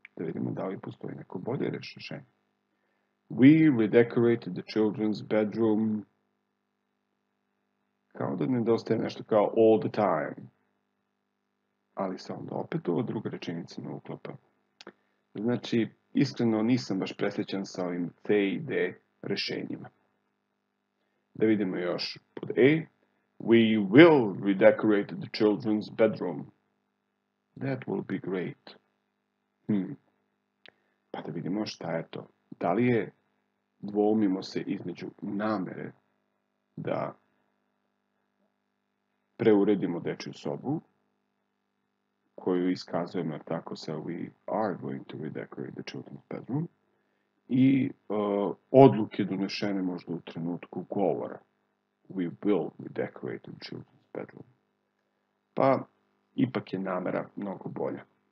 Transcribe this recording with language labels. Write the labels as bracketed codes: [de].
[sr] Da vidimo da li postoji neko bolje rešenje. [en] We redecorated the children's bedroom. [sr] Kao da nedostaje nešto kao [en] all the time. [sr] Ali se onda opet ova druga rečenica ne uklapa. Znači, iskreno nisam baš presrećan sa ovim C i D rešenjima. Da vidimo još pod E. [en] We will redecorate the children's bedroom. That will be great. [sr] Pa da vidimo šta je to. Da li je, dvoumimo se između namere da preuredimo dečju sobu, koju iskazujemo, jer tako se, [en] we are going to redecorate the children's bedroom, [sr] i odluke donešene možda u trenutku govora. [en] We will redecorate the children's bedroom. [sr] Pa, ipak je namera mnogo bolja.